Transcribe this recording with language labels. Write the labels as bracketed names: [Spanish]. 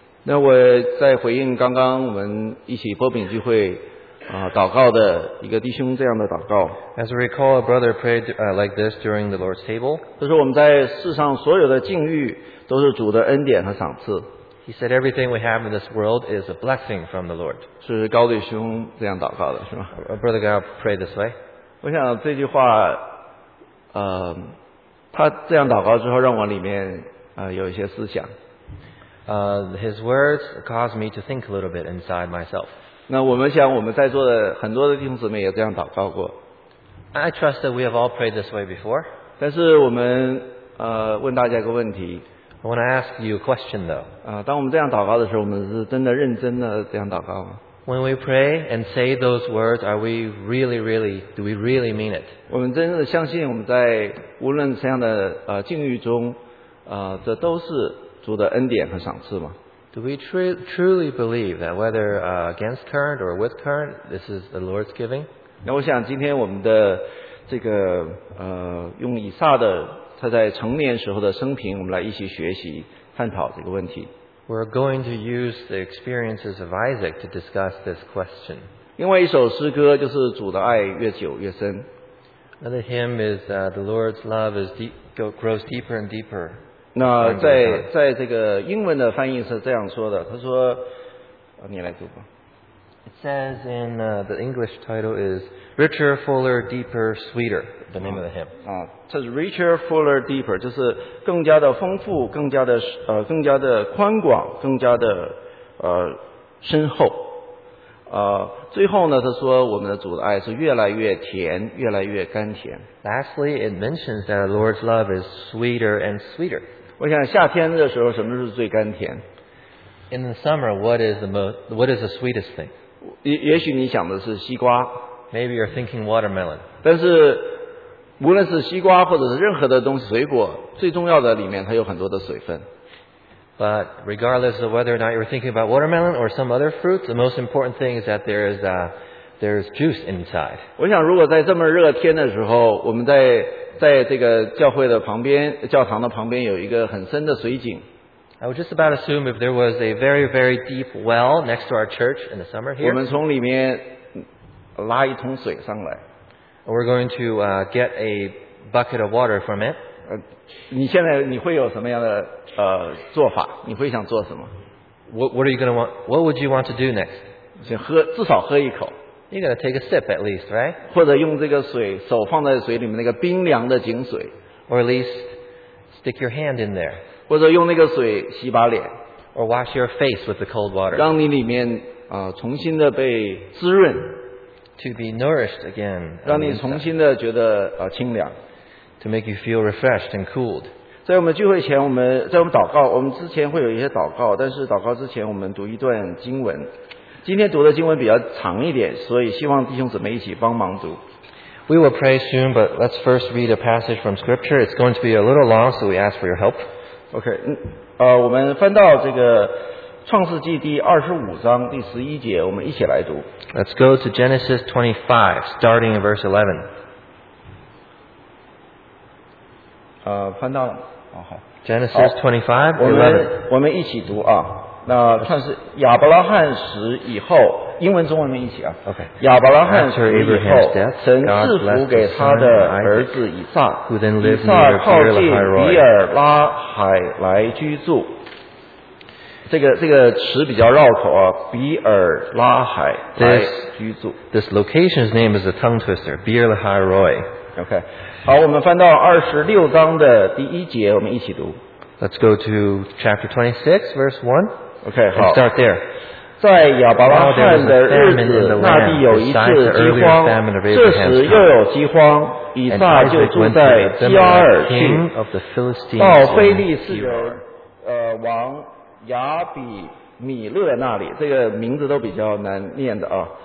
[Chinese] 那我在回应刚刚我们一起波饼聚会祷告的一个弟兄这样的祷告。 [English] As I recall, a brother prayed like this during the Lord's table. [Chinese] 就是我们在世上所有的境遇都是主的恩典和赏赐。 [English] He said, everything we have in this world is a blessing from the Lord. [Chinese] 是高弟兄这样祷告的，是吗？ [English] Brother Gao prayed this way. [Chinese] 我想这句话，他这样祷告之后，让我里面有一些思想。 [English] His words caused me to think a little bit inside myself. [Chinese] 那我们想，我们在座的很多的弟兄姊妹也这样祷告过。 [English] I trust that we have all prayed this way before. [Chinese] 但是我们问大家一个问题。 [English] I want to ask you a question, though. [Chinese] 当我们这样祷告的时候，我们是真的认真的这样祷告吗？ [English] When we pray and say those words, are we really, really, do we really mean it? [Chinese] 我们真的相信我们在无论怎样的境遇中，这都是主的恩典和赏赐吗？ [English] Do we truly believe that whether against current or with current, this is the Lord's giving? [Chinese] 那我想今天我们的这个用以撒的。他在成年时候的生平，我们来一起学习探讨这个问题。 [English] We're going to use the experiences of Isaac to discuss this question. [Chinese] 另外一首诗歌就是主的爱越久越深。 [English] Another hymn is the Lord's love is grows deeper and deeper. [Chinese] 那在这个英文的翻译是这样说的，他说，你来读吧。 [English] It says in the English title is richer, fuller, deeper, sweeter. The name of the hymn. [Chinese] 这是 [English] richer, fuller, deeper, [Chinese] 就是更加的丰富，更加的宽广，更加的深厚。最后呢，他说我们的主的爱是越来越甜，越来越甘甜。 [English] Lastly, it mentions that the Lord's love is sweeter and sweeter. [Chinese] 我想夏天的时候，什么是最甘甜？ [English] In the summer, what is the sweetest thing? [Chinese] 也许你想的是西瓜。 [English] Maybe you're thinking watermelon. [Chinese] 但是无论是西瓜或者是任何的东西水果最重要的里面它有很多的水分。 [English] But regardless of whether or not you're thinking about watermelon or some other fruit, the most important thing is that there is juice inside. [Chinese] 我想如果在这么热天的时候我们在这个教会的旁边教堂的旁边有一个很深的水井。 [English] I would just about assume if there was a very, very deep well next to our church in the summer here. [Chinese] 我们从里面拉一桶水上来。 [English] We're going to get a bucket of water from it. [Chinese] 你现在你会有什么样的做法？你会想做什么 [English] ？What are you going to want? What would you want to do next? [Chinese] 先喝，至少喝一口。 [English] You're going to take a sip at least, right? [Chinese] 或者用这个水，手放在水里面那个冰凉的井水。 [English] Or at least stick your hand in there. [Chinese] 或者用那个水洗把脸。 [English] Or wash your face with the cold water. [Chinese] 让你里面重新的被滋润。 [English] To be nourished again, [Chinese] 让你重新的觉得清凉 [English] ，to make you feel refreshed and cooled. [Chinese] 在我们聚会前，在我们祷告，我们之前会有一些祷告，但是祷告之前，我们读一段经文。今天读的经文比较长一点，所以希望弟兄姊妹一起帮忙读。 [English] We will pray soon, but let's first read a passage from Scripture. It's going to be a little long, so we ask for your help. Okay, [Chinese] 我们翻到这个。创世纪第二十五章第十一节，我们一起来读。 [English] Let's go to Genesis 25, starting in verse 11. [Chinese] 翻到了，好。 [English] Genesis 25, 11. [Chinese] 我们一起读啊。那创世亚伯拉罕死以后，英文中文们一起啊。 [English] Okay. [Chinese] 亚伯拉罕死了以后，神赐福给他的儿子以撒，以撒靠近比尔拉海来居住。这个词比较绕口啊，比尔拉海来居住。 [English] This location's name is a tongue twister, Beer Lahairoi. Okay. [Chinese] 好，我们翻到二十六章的第一节，我们一起读。 [English] Let's go to chapter 26, verse 1. Okay, [Chinese] 好。 [English] Start there. [Chinese] 在亚伯拉罕的日子，那地有一次饥荒，这时又有饥荒，以撒就住在基尔逊，到非利士王亚比米勒那里，这个名字都比较难念的啊。